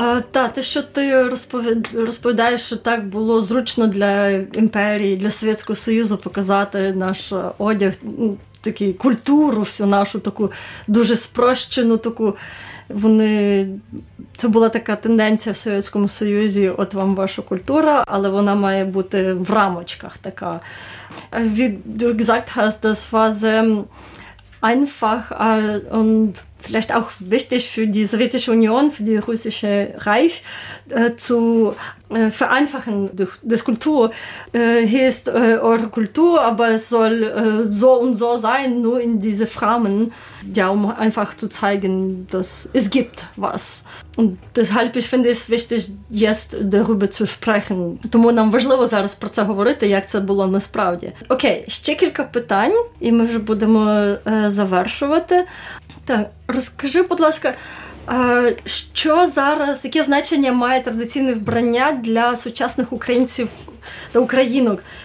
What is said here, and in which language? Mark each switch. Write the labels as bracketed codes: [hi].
[uk] Та, те, що ти розповідаєш, що так було зручно для імперії, для Совєтського Союзу показати наш одяг, таку культуру всю нашу, таку дуже спрощену, таку, вони, це була така тенденція в Совєтському Союзі, от вам ваша культура, але вона має бути в рамочках така. [de] Wie gesagt hast, das war sehr einfach und vielleicht auch wichtig für die Sowjetische Union, für die Russische Reich, zu vereinfachen durch das Kultur. Hier ist eure Kultur, aber es soll so und so sein, nur in diese Rahmen, ja, um einfach zu zeigen, dass es gibt was. Und deshalb, ich finde es wichtig, jetzt darüber zu sprechen. [uk] Тому нам важливо зараз про це говорити, як це було насправді. Окей, ще кілька питань, і ми вже будемо завершувати. Так, розкажи, будь ласка, що зараз, яке значення має традиційне вбрання для сучасних українців та українок?